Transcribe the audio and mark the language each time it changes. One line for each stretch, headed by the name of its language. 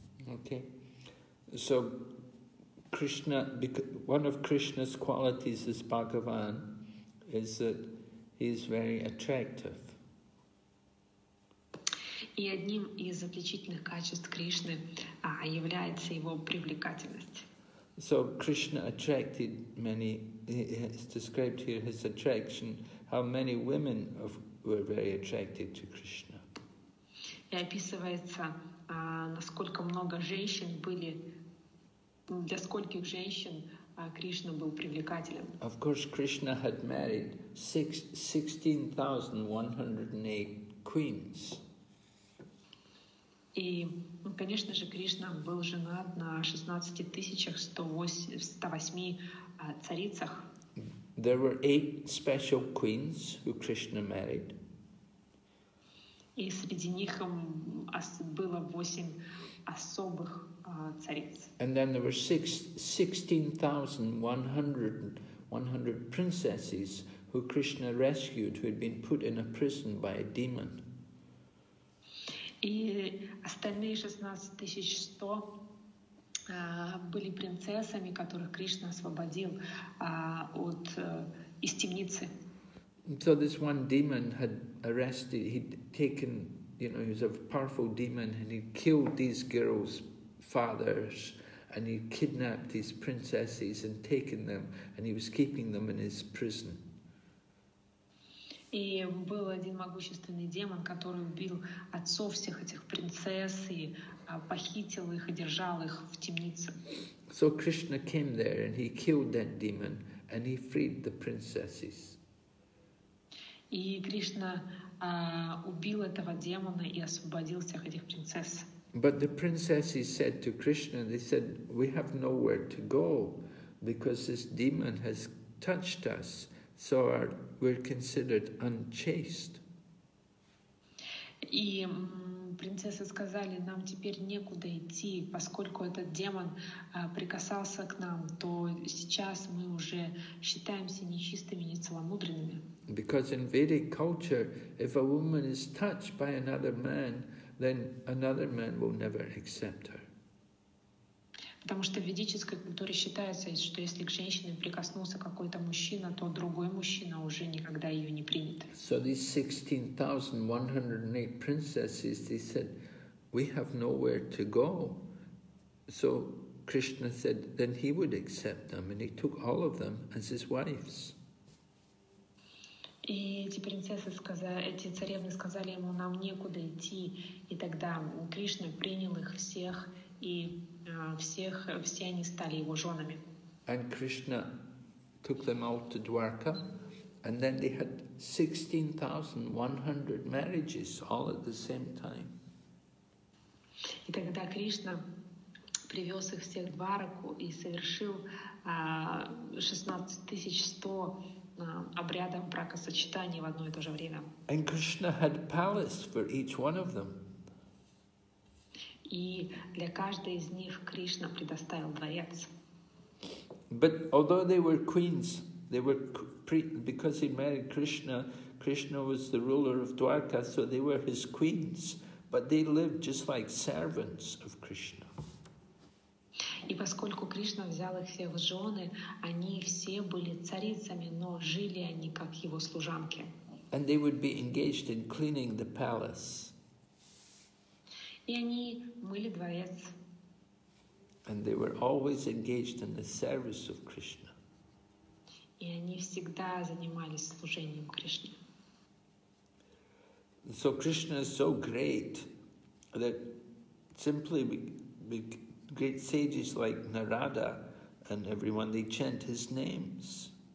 English: Okay. So, Krishna, one of Krishna's qualities as Bhagavan is that he's very attractive.
Russian: И одним из отличительных качеств Кришны является его привлекательность.
English: So Krishna attracted many, it's described here his attraction, how many women were very attracted to Krishna.
Russian: И описывается, насколько много женщин были, для скольких женщин Кришна был привлекателен.
English: Of course, Krishna had married 16,108 queens.
Russian: И, ну, конечно же, Кришна был женат на 16 108 царицах.
English: There were eight special queens who Krishna married.
Russian: И среди них было 8 особых цариц.
English: And then there were 16,100 princesses who Krishna rescued, who had been put in a prison by a demon.
Russian: И остальные 16,100 были принцессами, которых Кришна освободил от из темницы.
English: So this one demon had arrested, he'd taken, you know, he was a powerful demon, and he killed these girls' fathers, and he kidnapped these princesses and taken them, and he was keeping them in his prison.
Russian: И был один могущественный демон, который убил отцов всех этих принцесс и похитил их и держал их в темнице.
English: So Krishna came there and he killed that demon and he freed the princesses.
Russian: И Кришна убил этого демона и освободил всех этих принцесс.
English: But the princesses said to Krishna, they said, we have nowhere to go because this demon has touched us. So we're considered unchaste.
Russian: И принцессы сказали, нам теперь некуда идти, поскольку этот демон прикасался к нам, то сейчас мы уже считаемся нечистыми, нецеломудренными.
English: Because in Vedic culture, if a woman is touched by another man, then another man will never accept her.
Russian: Потому что в ведической культуре считается, что если к женщине прикоснулся какой-то мужчина, то другой мужчина уже никогда ее не примет.
English: So these 16,108 princesses, they said, we have nowhere to go. So Krishna said, then he would accept them, and he took all of them as his wives.
Russian: И эти принцессы сказали, эти царевны сказали ему, нам некуда идти, и тогда Кришна принял их всех. И всех, все они стали его женами.
English: And Krishna took them all to Dwarka, and then they had 16,100 marriages all at the same time.
Russian: И тогда Кришна привез их всех в Двараку и совершил 16,100 обрядов бракосочетаний в одно и то же время.
English: And Krishna had palace for each one of them.
Russian: И для каждой из них Кришна предоставил дворец.
English: But although they were queens, they were because he married Krishna, Krishna was the ruler of Dwarka, so they were his queens, but they lived just like servants of Krishna.
Russian: И поскольку Кришна взял их всех в жены, они все были царицами, но жили они как его служанки.
English: And they would be engaged in cleaning the palace.
Russian: И они мыли дворец.
English: And they were always engaged in the service of Krishna.
Russian: И они всегда занимались служением Кришне.
English: So Krishna is so great that simply great sages like Narada and everyone, they chant his names.